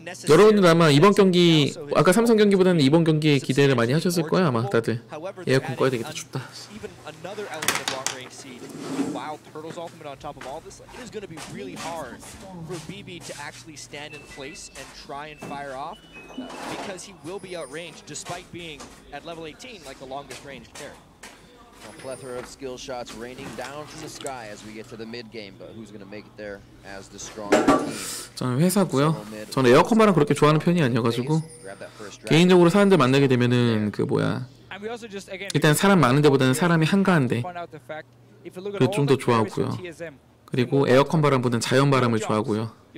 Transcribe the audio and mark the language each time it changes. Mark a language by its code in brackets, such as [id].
[ko] 여러분들 아마 이번 경기 아까 삼성 경기보다는 이번 경기에 기대를 많이 하셨을 거예요 아마 다들. 에어컨 꺼야 되겠다 춥다. [en] Wild Turtles ultimate on top of all this. It is going to be really hard for BB to actually stand in place and try and fire off because he will be outranged despite being at level 18 like the longest range carry. A plethora of skill shots raining down from the sky as we get to the mid game but who's going to make it there as the stronger team. [ko] 저는 회사고요. 저는 에어컨만 그렇게 좋아하는 편이 아니어 가지고 개인적으로 사람들 만나게 되면은 그 뭐야. 일단 사람 많은 데보다는 사람이 한가한데 그 좀 더 좋아하고요. 그리고 에어컨 바람보다는 자연 바람을 좋아하고요.